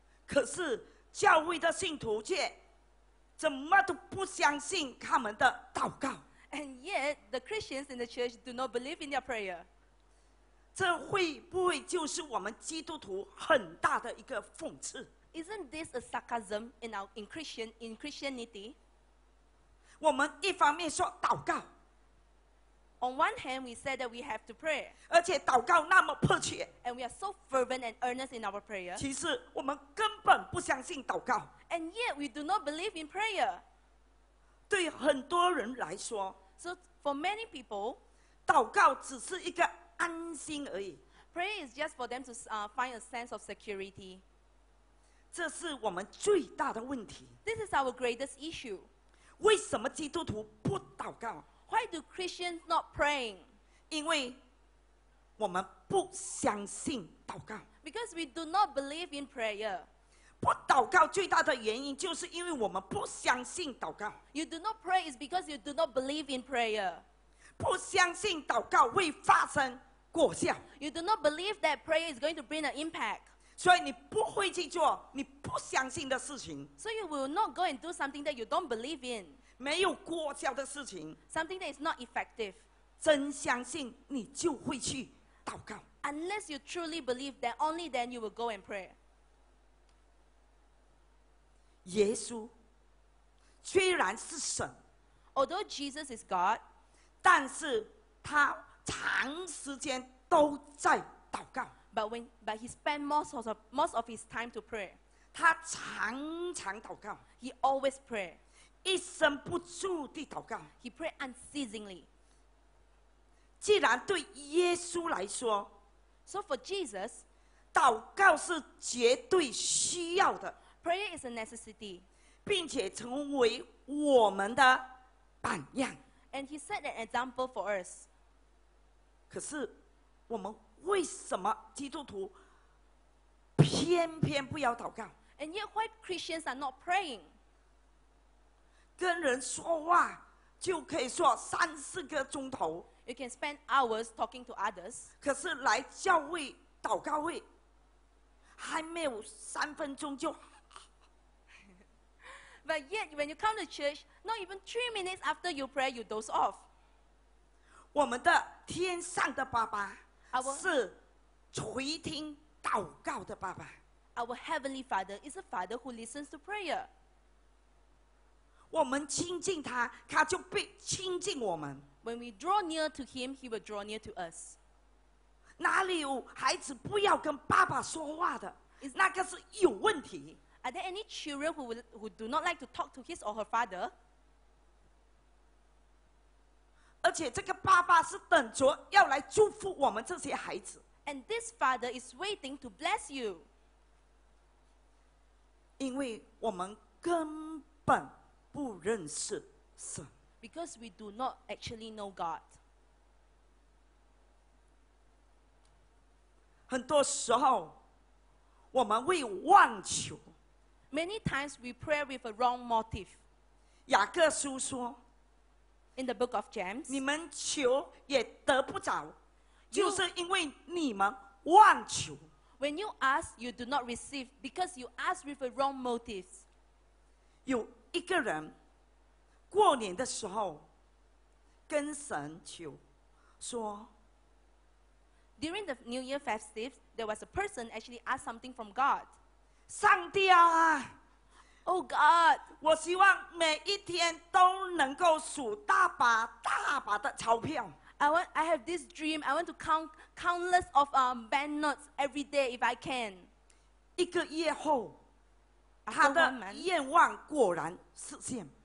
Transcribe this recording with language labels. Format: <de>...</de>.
<zh>可是教会的信徒却怎么都不相信他们的祷告。</zh> <en>And yet, the Christians in the church do not believe in their prayer.</en> <zh>这会不会就是我们基督徒很大的一个讽刺？</zh> <en>Isn't this a sarcasm in Christianity?</en> <zh>我们一方面说祷告。</zh> <en>On one hand, we say that we have to pray.</en> <zh>而且祷告那么迫切。</zh> <en>And we are so fervent and earnest in our prayer.</en> <zh>其实我们根本不相信祷告。</zh> <en>And yet, we do not believe in prayer.</en> <zh>对很多人来说</zh> <en>，So for many people,</en> <zh>祷告只是一个安心而已。</zh> <en>Prayer is just for them to find a sense of security.</en> <zh>这是我们最大的问题。</zh> <en>This is our greatest issue.</en> <zh>为什么基督徒不祷告</zh> <en>？Why do Christians not praying?</en> <zh>因为我们不相信祷告。</zh> <en>Because we do not believe in prayer.</en> <zh>不祷告最大的原因就是因为我们不相信祷告。</zh> <en>You do not pray is because you do not believe in prayer.</en> <zh>不相信祷告会发生果效。</zh> <en>You do not believe that prayer is going to bring an impact.</en> <zh>所以你不会去做你不相信的事情。</zh> <en>So you will not go and do something that you don't believe in.</en> <zh>没有果效的事情。</zh> <en>Something that is not effective.</en> <zh>真相信你就会去祷告。</zh> <en>Unless you truly believe that only then you will go and pray.</en> <zh>耶稣虽然是神</zh> <en>although Jesus is God,</en> <zh>但是他长时间都在祷告</zh> <en>but he spent most of his time to pray.</en> <zh>他常常祷告</zh> <en>he always pray.</en> <zh>一生不住地祷告</zh> <en>he pray unceasingly.</en> <zh>既然对耶稣来说</zh> <en>so for Jesus,</en> <zh>祷告是绝对需要的</zh> <en>Prayer is a necessity.</en> <zh>并且成为我们的榜样。</zh> <en>And he set an example for us.</en> <zh>可是我们为什么基督徒偏偏不要祷告？</zh> <en>And yet why Christians are not praying?</en> <zh>跟人说话就可以说三四个钟头。</zh> <en>You can spend hours talking to others.</en> <zh>可是来教会祷告会还没有三分钟就</zh> <en>But yet, when you come to church, not even 3 minutes after you pray, you doze off.</en> <zh>我们的天上的爸爸是垂听祷告的爸爸。</zh> <en>Our heavenly Father is a Father who listens to prayer.</en> <zh>我们亲近他，他就必亲近我们。</zh> <en>When we draw near to him, he will draw near to us.</en> <zh>哪里有孩子不要跟爸爸说话的？那个是有问题。</zh> <en>Are there any children who do not like to talk to his or her father?</en> <zh>而且这个爸爸是等着要来祝福我们这些孩子。</zh> <en>And this father is waiting to bless you.</en> <zh>因为我们根本不认识神。</zh> <en>Because we do not actually know God.</en> <zh>很多时候我们会妄求。</zh> <en>Many times we pray with a wrong motive.</en> <zh>雅各书说</zh> <en>In the book of James,</en> <zh>你们求也得不着，就是因为你们妄求。</zh> <en>When you ask, you do not receive because you ask with a wrong motive.</en> <zh>有一个人过年的时候跟神求说</zh> <en>，During the New Year festive, there was a person actually asked something from God.</en> <zh>上帝啊！</zh> <en>Oh God,</en> <zh>我希望每一天都能够数大把大把的钞票。</zh> <en>I have this dream. I want to count countless of bank notes every day if I can.</en> <zh>一个月后，他的愿望果然实现。</zh>